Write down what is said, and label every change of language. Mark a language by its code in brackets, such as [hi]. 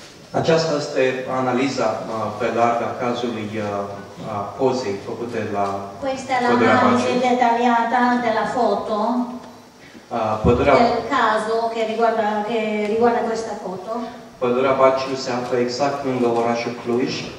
[ro] Aceasta este analiza pe larga cazului pozei făcute la [it] fotografie. Questa è l'analisi dettagliata della foto [ro] Pădurea, [it] del caso che riguarda questa foto. [ro] Pădurea Baciu se află exact lângă orașul Cluj.